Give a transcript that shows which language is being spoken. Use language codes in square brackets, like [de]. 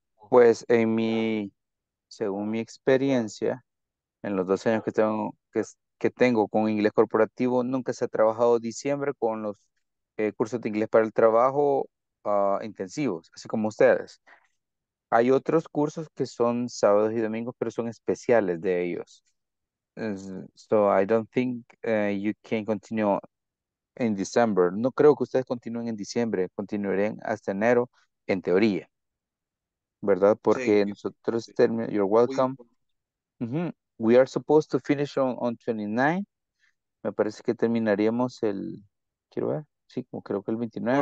[es] pues en mi, según mi experiencia, en los 12 años que tengo, que tengo con inglés corporativo, nunca se ha trabajado diciembre con los cursos de inglés para el trabajo intensivos, así como ustedes. Hay otros cursos que son sábados y domingos, pero son especiales de ellos. [en] So I don't think you can continue in December. [es] No creo que ustedes continúen en diciembre, continuarían hasta enero, en teoría. ¿Verdad? Porque [en] Thank you. [es] nosotros terminamos, [en] you're welcome. Mm-hmm. We are supposed to finish on 29. [es] Me parece que terminaríamos el, quiero ver, sí, como creo que el 29.